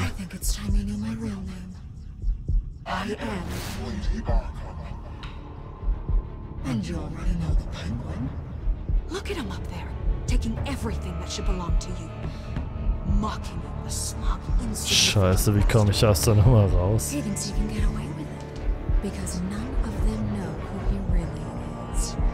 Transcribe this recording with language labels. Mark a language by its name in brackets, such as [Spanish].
[English] I think it's time you knew my real name. I am Lady Arkham. And you already know the Penguin. Look at him up there, taking everything that should belong to you. Mocking him, a smug insult. [German] Scheiße, wie komme ich aus der Nummer raus? [English] He thinks he can get away with it. Because none of them know who he really is.